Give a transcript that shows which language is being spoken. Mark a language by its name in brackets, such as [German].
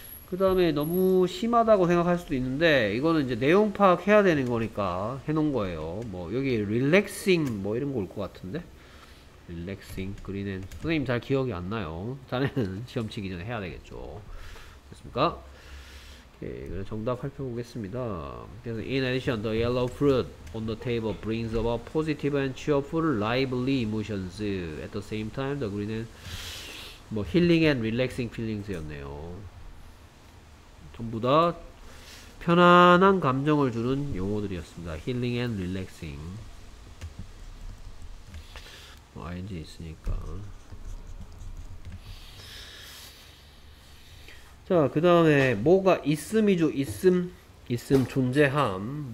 [Korean] 그 다음에 너무 심하다고 생각할 수도 있는데 이거는 이제 내용 파악해야 되는 거니까 해놓은 거예요. 뭐 여기 relaxing 뭐 이런 거올것 같은데 relaxing green 선생님 잘 기억이 안 나요. 자네는 시험 치기 전에 해야 되겠죠. 됐습니까? 오케이, 그럼 정답 살펴보겠습니다. [English] 그래서 in addition, the yellow fruit on the table brings about positive and cheerful, lively emotions. At the same time, the green and 뭐 healing and relaxing feelings였네요. [Korean] 전부 다 편안한 감정을 주는 용어들이었습니다. [English] Healing and relaxing. [Korean] 뭐 ing 있으니까. 자, 그 다음에 뭐가 있음이죠. 있음, 있음 존재함.